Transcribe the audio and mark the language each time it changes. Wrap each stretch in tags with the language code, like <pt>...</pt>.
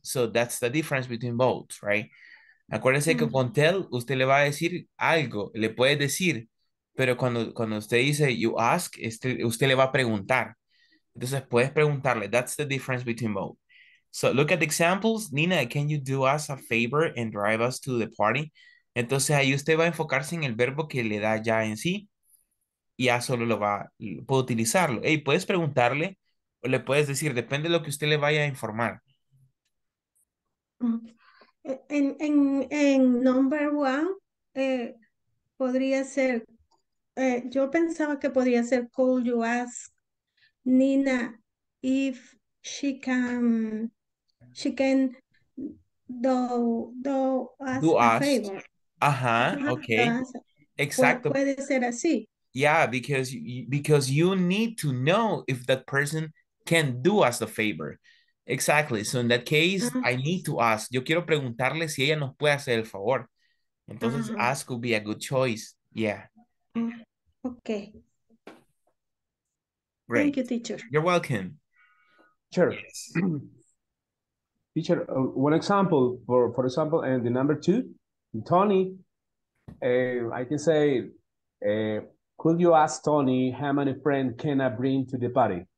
<en>So that's the difference between both, right?</en> <es>Acuérdense que con tell, usted le va a decir algo, le puede decir, pero cuando usted dice you ask, usted le va a preguntar. Entonces, puedes preguntarle.</es> <en>That's the difference between both. So look at the examples. Nina, can you do us a favor and drive us to the party?</en> <es>Entonces, ahí usted va a enfocarse en el verbo que le da ya en sí y ya solo lo va a utilizarlo. Hey, puedes preguntarle o le puedes decir, depende de lo que usted le vaya a informar.</es> <en>En number one,</en> <es>podría ser, yo pensaba que podría ser,</es> <en>could you ask Nina if she can do us a favor? Uh-huh, okay, exactly.</en> <es>Puede ser así.</es> <en>Yeah, because you need to know if that person can do us a favor. Exactly, so in that case, I need to ask.</en> <es>Yo quiero preguntarle si ella nos puede hacer el favor.</es> <en>Entonces, ask would be a good choice, yeah. Okay. Great. Thank you, teacher. You're welcome. Sure. Yes. Teacher, one example, for example, and the number two, Tony, I can say, could you ask Tony how many friends can I bring to the party?</en>